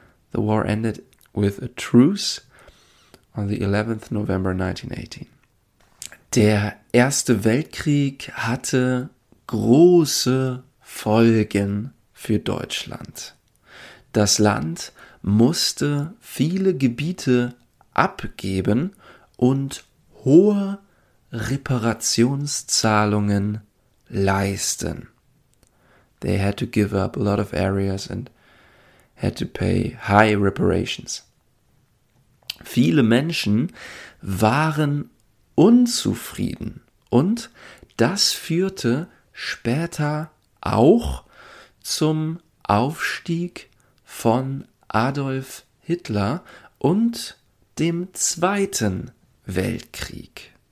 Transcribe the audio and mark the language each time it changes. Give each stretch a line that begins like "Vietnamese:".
English: The war ended with a truce on the 11th November 1918.
German: Der Erste Weltkrieg hatte große Folgen für Deutschland. Das Land musste viele Gebiete abgeben und hohe Reparationszahlungen leisten.
English: They had to give up a lot of areas and had to pay high reparations.
German: Viele Menschen waren unzufrieden und das führte später auch zum Aufstieg von Adolf Hitler und dem Zweiten Weltkrieg.